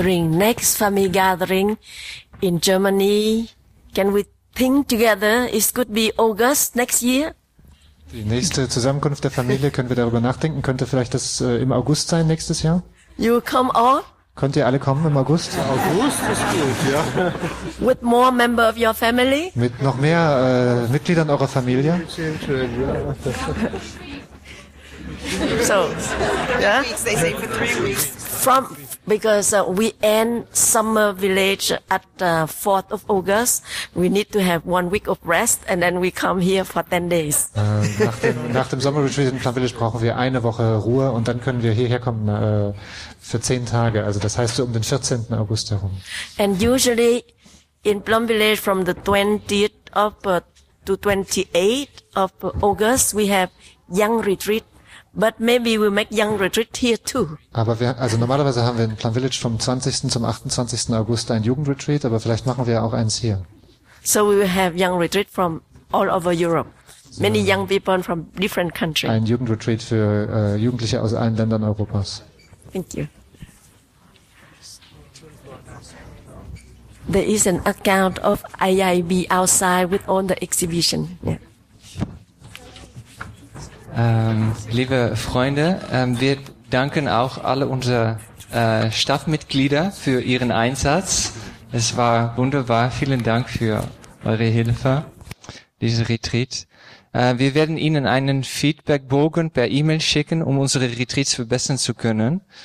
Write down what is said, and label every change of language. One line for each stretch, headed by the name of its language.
English: next family gathering in Germany. Can we think together? It could be August next year.
German: Die nächste Zusammenkunft der Familie, können wir darüber nachdenken? Könnte vielleicht das im August sein, nächstes Jahr?
English: You come all?
German: Könnt ihr alle kommen im August? August ist gut, ja.
English: With more member of your family?
German: Mit noch mehr Mitgliedern eurer Familie?
English: So, yeah? From, because we end summer village at the 4th of August, we need to have 1 week of rest and then we come here for 10 days.
German: Nach dem Summer Retreat in Plum Village brauchen wir eine Woche Ruhe und dann können wir hierher kommen für 10 Tage, also das heißt so um den 14. August herum.
English: And usually in Plum Village from the 20th of to 28th of August, we have young retreat. But maybe we make young retreat here too.
German: Aber wir, also normalerweise haben wir in Plum Village vom 20. zum 28. August ein Jugendretreat, aber vielleicht machen wir auch eins hier.
English: So we will have young retreat from all over Europe. So many young people from different countries.
German: Ein Jugendretreat für Jugendliche aus allen Ländern Europas.
English: Thank you. There is an account of IIB outside with all the exhibition. Yeah.
German: Liebe Freunde, wir danken auch alle unsere Staffmitglieder für ihren Einsatz. Es war wunderbar. Vielen Dank für eure Hilfe, diesen Retreat. Wir werden Ihnen einen Feedbackbogen per E-Mail schicken, um unsere Retreats verbessern zu können.